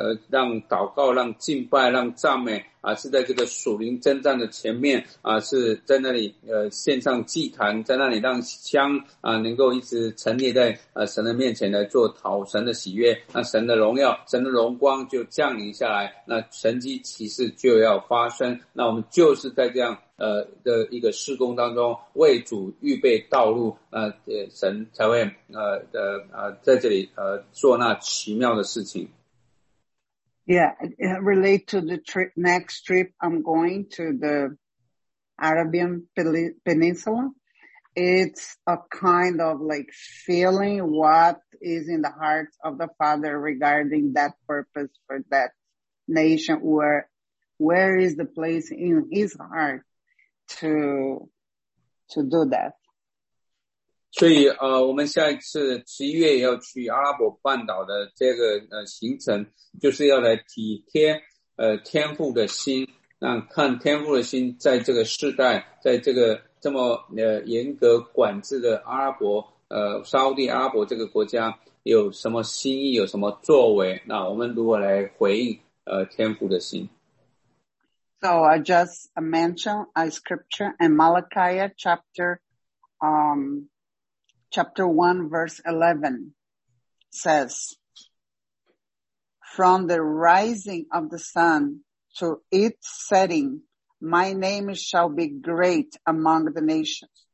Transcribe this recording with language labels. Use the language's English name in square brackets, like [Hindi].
[Chinese] 让祷告, 让敬拜, 让赞美, 啊, 是在这个属灵征战的前面, 啊, 是在那里, 献上祭坛, 在那里让香, 啊, 能够一直陈列在, 神的面前来做讨神的喜悦, 那神的荣耀, 神的荣光就降临下来, 那神迹奇事就要发生, 那我们就是在这样, 的一个施工当中, 为主预备道路, 神才会, 在这里, 做那奇妙的事情。 [English] Yeah, relate to the trip, next trip I'm going to the Arabian Peninsula. It's a kind of like feeling what is in the heart of the Father regarding that purpose for that nation. Where is the place in his heart to do that? [Chinese] 所以, 我们下一次 11月要去阿拉伯半岛的这个, 行程, 就是要来体贴, 天父的心, 让看天父的心, 在这个世代, 在这个这么, 严格管制的阿拉伯, 沙烏地阿拉伯这个国家, 有什么心意, 有什么作为, 那我们如何来回应, 天父的心。 [English] So I just mentioned a scripture in Malachi chapter, Chapter 1, verse 11 says, from the rising of the sun to its setting, my name shall be great among the nations.